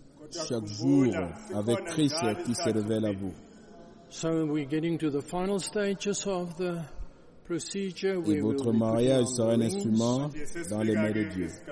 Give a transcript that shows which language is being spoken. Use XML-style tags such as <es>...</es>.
<fr>chaque jour avec Christ qui se révèle à vous.</fr> <en>So we're getting to the final stages of the procedure.</en> <fr>Et votre mariage sera un instrument dans les mains de Dieu.</fr>